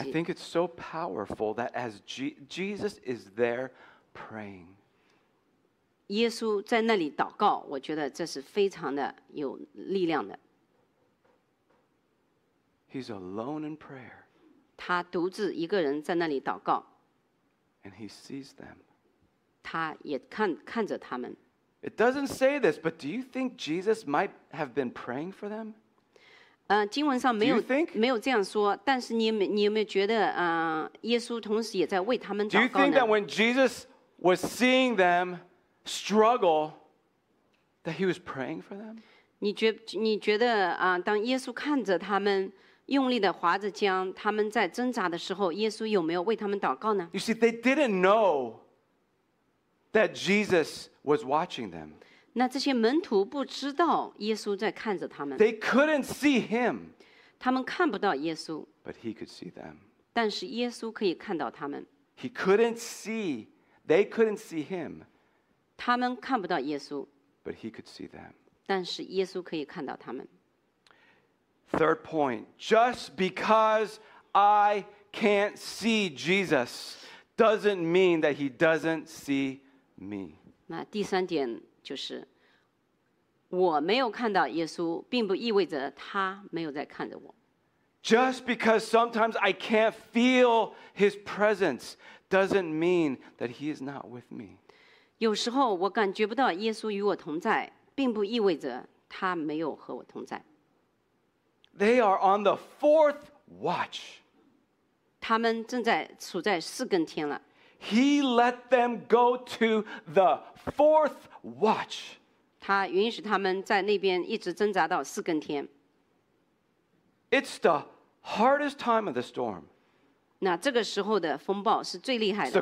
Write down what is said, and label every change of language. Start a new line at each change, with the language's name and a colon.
English: I think it's so powerful that as Jesus is there praying,
Chinese: 耶稣在那里祷告，我觉得这是非常的有力量的。
English: He's alone in prayer.
Chinese: 他独自一个人在那里祷告。
English: And he sees them.
Chinese: 他也看着他们。
English: It doesn't say this, but do you think Jesus might have been praying for them?
Chinese: 经文上没有 没有这样说，但是你有没有觉得，耶稣同时也在为他们祷告呢？
English: Do you think that when Jesus was seeing them struggle, that he was praying for them?
Chinese: 你觉得，当耶稣看着他们用力地划着桨，他们在挣扎的时候，耶稣有没有为他们祷告呢？
English: You see, they didn't know that Jesus was watching them.
Chinese: 那这些门徒不知道耶稣在看着他们。
English: They couldn't see him.
Chinese: 他们看不到耶稣。
English: But he could see them.
Chinese: 但是耶稣可以看到他们。
English: He couldn't see, they couldn't see him.
Chinese: 他们看不到耶稣。
English: But he could see them.
Chinese: 但是耶稣可以看到他们。
English: Third point, just because I can't see Jesus doesn't mean that he doesn't see me.
Chinese: 那第三点就是，我没有看到耶稣，并不意味着他没有在看着我。
English: Just because sometimes I can't feel his presence doesn't mean that he is not with me.
Chinese: 有时候我感觉不到耶稣与我同在，并不意味着他没有和我同在。
English: They are on the fourth watch.
Chinese: 他们正在处在四更天了。
English: He let them go to the fourth watch.
Chinese: 他允许他们在那边一直挣扎到四更天。
English: It's the hardest time of the storm.
Chinese: 那这个时候的风暴是最厉害的。